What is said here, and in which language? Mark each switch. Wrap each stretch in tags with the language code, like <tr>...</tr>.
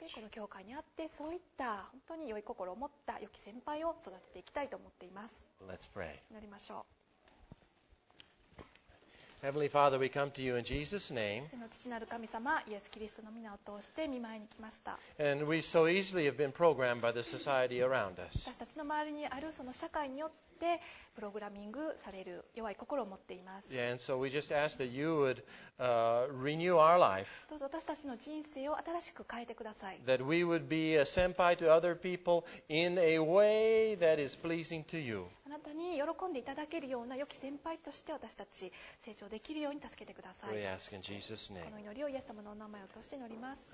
<ja>で、この教会にあってそういった本当に良い心を持った良き先輩を育てていきたいと思っています。</ja> <en>Let's pray.</en> <ja>祈りましょう。</ja> <en>Heavenly Father, we come to you in Jesus' name.</en> <ja>天の父なる神様、イエス・キリストの名を通して御前に来ました。</ja> <en>And we so easily have been programmed by the society around us.</en> <ja>私たちの周りにあるその社会によってでプログラミングされる弱い心を持っています。</ja> <en>yeah, and so we just ask that you would, renew our life.</en> <ja>どうぞ私たちの人生を新しく変えてください。</ja> <en>that we would be a senpai to other people in a way that is pleasing to you.</en> <ja>あなたに喜んでいただけるような良き先輩として私たち成長できるように助けてください。</ja> <en>we ask in Jesus' name.</en> <ja>この祈りをイエス様のお名前を通して祈ります。</ja>